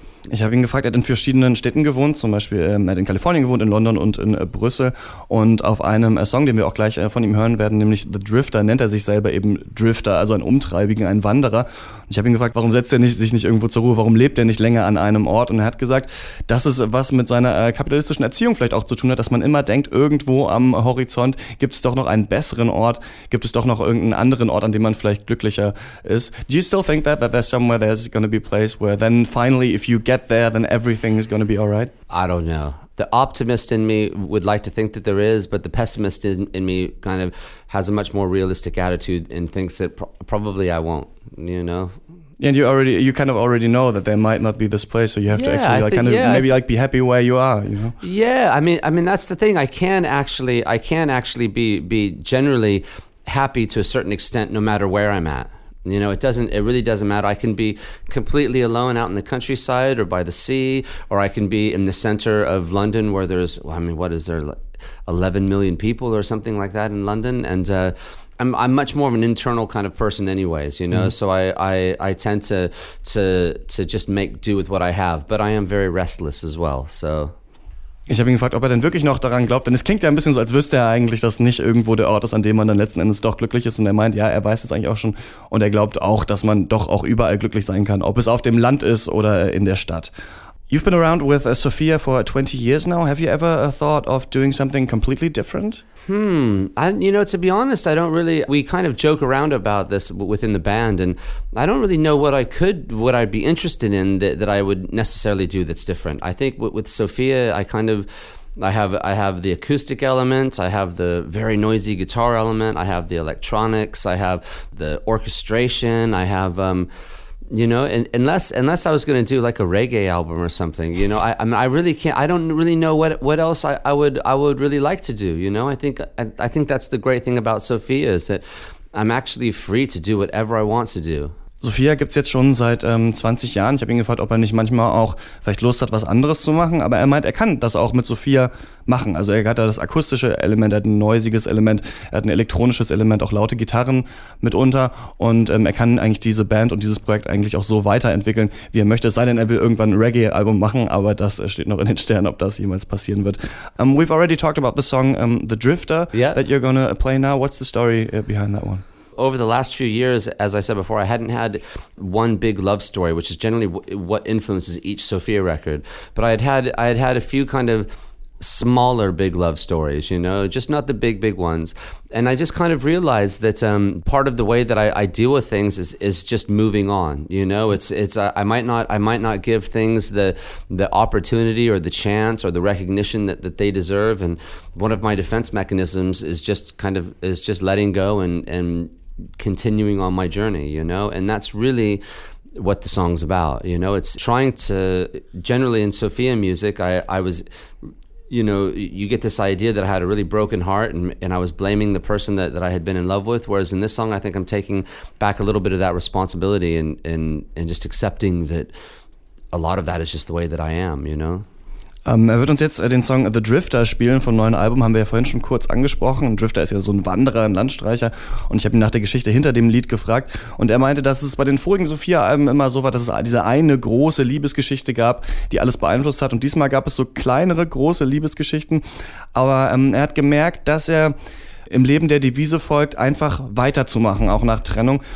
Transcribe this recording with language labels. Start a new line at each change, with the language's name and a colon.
German: Ich habe ihn gefragt, er hat in verschiedenen Städten gewohnt, zum Beispiel er hat in Kalifornien gewohnt, in London und in Brüssel, und auf einem Song, den wir auch gleich von ihm hören werden, nämlich The Drifter, nennt er sich selber eben Drifter, also ein Umtreibigen, ein Wanderer. Und ich habe ihn gefragt, warum setzt er sich nicht irgendwo zur Ruhe, warum lebt er nicht länger an einem Ort, und er hat gesagt, dass es was mit seiner kapitalistischen Erziehung vielleicht auch zu tun hat, dass man immer denkt, irgendwo am Horizont gibt es doch noch einen besseren Ort, gibt es doch noch irgendeinen anderen Ort, an dem man vielleicht glücklicher ist.
English: Do you still think that there's somewhere there's going to be a place where then finally if you get there, then everything is going to be all right? I don't know. The optimist in me would like to think that there is, but the pessimist in me kind of has a much more realistic attitude and thinks that probably I won't, you know? And you kind of already know that there might not be this place, so you have to be happy where you are, you know? Yeah, I mean that's the thing. I can actually be generally happy to a certain extent no matter where I'm at. You know, it really doesn't matter. I can be completely alone out in the countryside or by the sea, or I can be in the center of London where there's, well, I mean, what is there, 11 million people or something like that in London? And I'm much more of an internal kind of person anyways, you know, so I tend to just make do with what I have, but I am very restless as well, so...
German: Ich habe ihn gefragt, ob er denn wirklich noch daran glaubt, denn es klingt ja ein bisschen so, als wüsste er eigentlich, dass nicht irgendwo der Ort ist, an dem man dann letzten Endes doch glücklich ist. Und er meint, ja, er weiß es eigentlich auch schon, und er glaubt auch, dass man doch auch überall glücklich sein kann, ob es auf dem Land ist oder in der Stadt.
English: You've been around with Sophia for 20 years now. Have you ever thought of doing something completely different? To be honest, we kind of joke around about this within the band, and I don't really know what I'd be interested in that I would necessarily do that's different. I think with Sophia, I kind of, I have the acoustic element, I have the very noisy guitar element, I have the electronics, I have the orchestration, I have, you know, unless I was going to do like a reggae album or something, you know, I don't really know what else I would really like to do, you know. I think that's the great thing about Sophia, is that I'm actually free to do whatever I want to do.
German: Sophia gibt's jetzt schon seit 20 Jahren. Ich habe ihn gefragt, ob er nicht manchmal auch vielleicht Lust hat, was anderes zu machen. Aber er meint, er kann das auch mit Sophia machen. Also er hat da das akustische Element, er hat ein noisiges Element, er hat ein elektronisches Element, auch laute Gitarren mitunter. Und er kann eigentlich diese Band und dieses Projekt eigentlich auch so weiterentwickeln, wie er möchte. Es sei denn, er will irgendwann ein Reggae-Album machen, aber das steht noch in den Sternen, ob das jemals passieren wird.
English: We've already talked about the song The Drifter, yeah, that you're gonna play now. What's the story behind that one? Over the last few years, as I said before, I hadn't had one big love story, which is generally what influences each Sophia record. But I had a few kind of smaller big love stories, you know, just not the big, big ones. And I just kind of realized that part of the way that I deal with things is just moving on. You know, I might not give things the opportunity or the chance or the recognition that they deserve. And one of my defense mechanisms is just letting go and continuing on my journey, you know, and that's really what the song's about. You know, it's trying to, generally in Sophia music, I was, you know, you get this idea that I had a really broken heart and I was blaming the person that I had been in love with. Whereas in this song, I think I'm taking back a little bit of that responsibility and just accepting that a lot of that is just the way that I am, you know.
German: Er wird uns jetzt den Song The Drifter spielen vom neuen Album, haben wir ja vorhin schon kurz angesprochen. Ein Drifter ist ja so ein Wanderer, ein Landstreicher, und ich habe ihn nach der Geschichte hinter dem Lied gefragt und er meinte, dass es bei den vorigen Sophia-Alben immer so war, dass es diese eine große Liebesgeschichte gab, die alles beeinflusst hat, und diesmal gab es so kleinere, große Liebesgeschichten, aber er hat gemerkt, dass er im Leben der Devise folgt, einfach weiterzumachen, auch nach Trennung.